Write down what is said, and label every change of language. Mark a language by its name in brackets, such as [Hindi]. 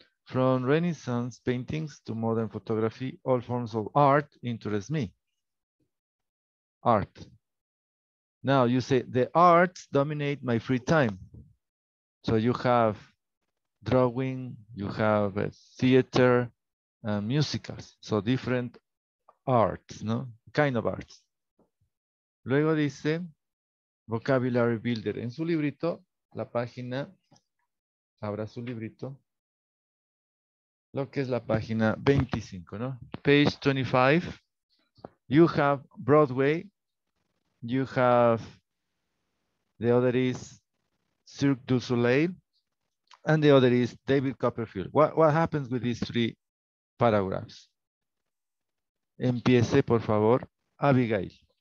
[English] From Renaissance paintings to modern photography, all forms of art interest me. Art. Now you say, the arts dominate my free time. So you have drawing, you have theater, musicals. So different arts, no? Kind of arts. [Spanish] Luego dice, Vocabulary Builder, en su librito, la página, abra su librito, lo que es la página 25, ¿no? [English] Page 25, you have Broadway, you have, the other is Cirque du Soleil, and the other is David Copperfield. What happens with these three paragraphs? [Spanish] Empiece, por favor, Abigail.